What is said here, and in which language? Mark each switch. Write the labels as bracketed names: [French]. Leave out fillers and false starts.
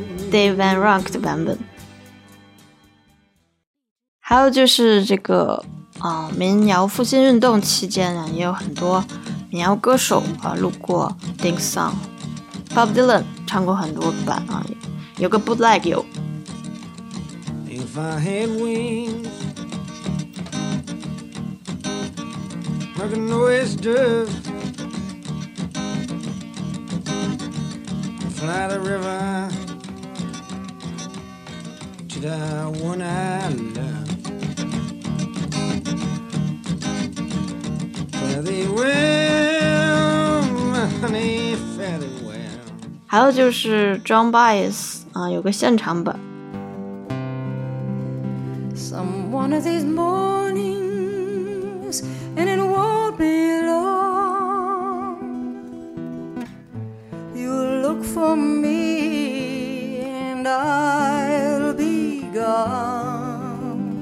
[Chinese] Dave Van Ronk 的版本，还有就是这个民谣复兴运动期间啊，也有很多民谣歌手啊录过 Dink Song， Bob Dylan 唱过很多版啊，有个 Bootleg 有。 [English] If I had wings like an oyster, fly the river to the one I love. Fare thee well, honey, fare thee well. [Chinese] 还有就是 John Baez 啊，有个现场版。 [English] One of these mornings, and it won't be long. You'll look for me, and I'll be gone.